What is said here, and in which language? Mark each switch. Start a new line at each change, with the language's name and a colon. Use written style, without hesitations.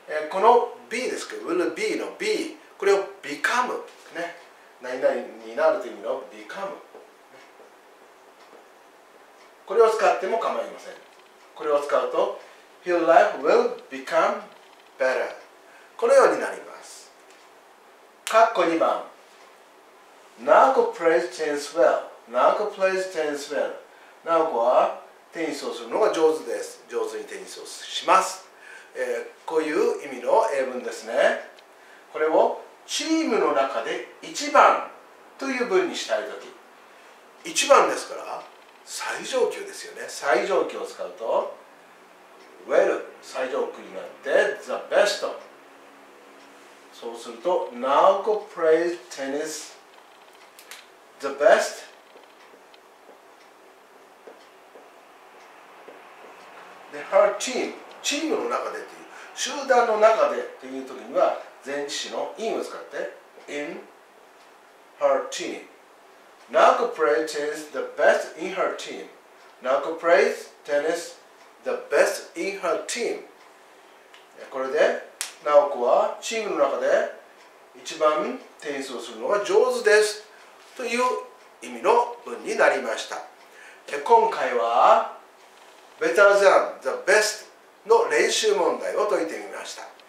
Japanese: この be ですけど、will be の be、これを become、ね。何々になるという意味の become。これを使っても構いません。これを使うと、
English: His life will become better。
Japanese: このようになります。括弧2番
English: Naoko plays tennis well. Naoko plays tennis well.
Japanese: Naoko はテニスをするのが上手です。上手にテニスをします。こういう意味の英文ですね。これをチームの中で1番という文にしたいとき、1番ですから最上級ですよね。最上級を使うと Well 最上級になって
English: The best。
Japanese: そうすると
English: Naoko plays tennis The best。
Japanese: で Her team、 チームの中でという集団の中でというときには前置詞の in を使って
English: in her team。 Naoko plays tennis the best in her team。 Naoko plays tennis the best in her team。
Japanese: これで Naoko はチームの中で一番テニスをするのが上手ですという意味の文になりました。今回は
English: Better than the best
Japanese: の練習問題を解いてみました。